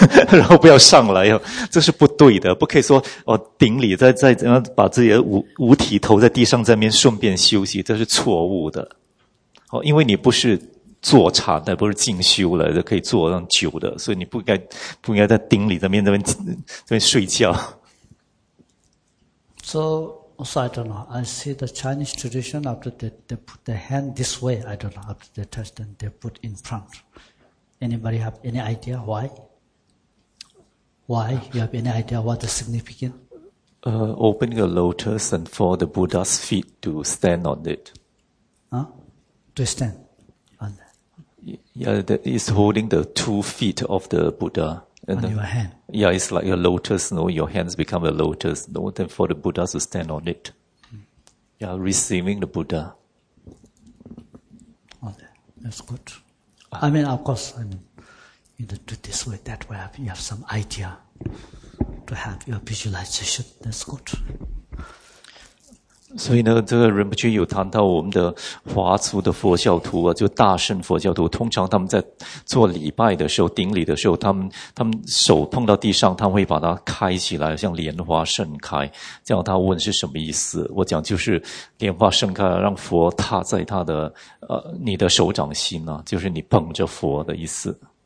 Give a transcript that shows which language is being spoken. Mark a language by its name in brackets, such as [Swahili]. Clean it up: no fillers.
[Chinese] 然后不要上来哦，这是不对的，不可以说哦顶礼在怎样把自己的五体投在地上，在那边顺便休息，这是错误的，哦，因为你不是坐禅的，不是进修了，就可以坐那么久的，所以你不应该在顶礼在那边睡觉。 [English] So I don't know. I see the Chinese tradition after they put their hand this way. I don't know. After they touch, then they put in front. Anybody have any idea why? Why? You have any idea what the significance? Opening a lotus and for the Buddha's feet to stand on it. Huh? To stand on that. Yeah, it's holding the two feet of the Buddha. And on your hand. Yeah, it's like a lotus, you know, your hands become a lotus, you know, then for the Buddha to stand on it. Yeah, receiving the Buddha. Okay, that's good. I mean, of course, you know, do this way, that way, you have some idea to have your visualization. That's good. [Chinese] 所以呢，这个仁波切有谈到我们的华族的佛教徒啊，就大乘佛教徒，通常他们在做礼拜的时候、顶礼的时候，他们手碰到地上，他们会把它开起来，像莲花盛开。这样他问是什么意思？我讲就是莲花盛开，让佛踏在他的你的手掌心啊，就是你捧着佛的意思。